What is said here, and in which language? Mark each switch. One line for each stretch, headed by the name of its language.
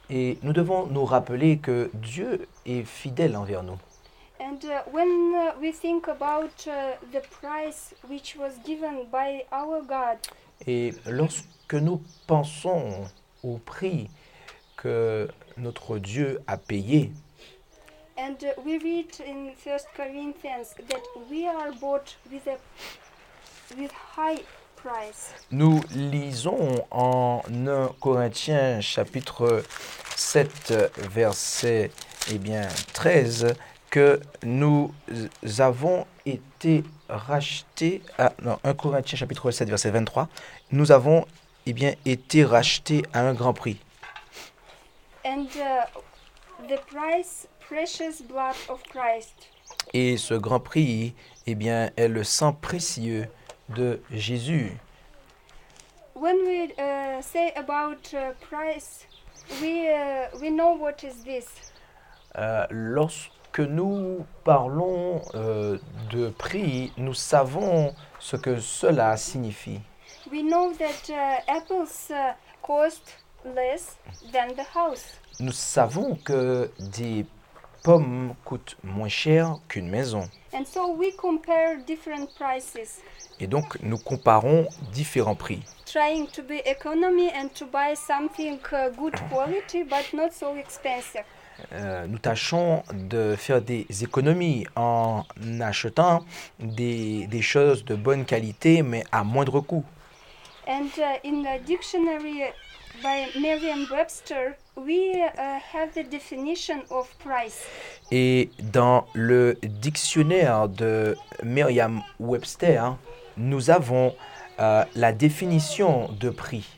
French: Et nous devons nous rappeler que Dieu est fidèle envers nous.
English: And when we think about the price which was given by our God.
French: Et lorsque nous pensons au prix que notre Dieu a payé.
English: And we read in 1 Corinthians that we are bought with a high price.
French: Nous lisons en 1 Corinthiens chapitre 7 verset 13 que nous avons été rachetés. 1 Corinthiens chapitre 7 verset 23. Nous avons été rachetés à un grand prix.
English: And the price, precious blood of Christ.
French: Et ce grand prix, est le sang précieux de Jésus.
English: When we say about price, we know what is this.
French: Lorsque nous parlons de prix, nous savons ce que cela signifie.
English: We know that apples cost less than the house.
French: Nous savons que des pommes coûtent moins cher qu'une maison.
English: And so we compare different prices.
French: Et donc nous comparons différents prix.
English: Trying to be economy and to buy something good quality but not so expensive.
French: Nous tâchons de faire des économies en achetant des choses de bonne qualité mais à moindre coût.
English: And in the dictionary by Merriam-Webster, we have the definition of price.
French: Et dans le dictionnaire de Merriam-Webster, nous avons la définition de prix.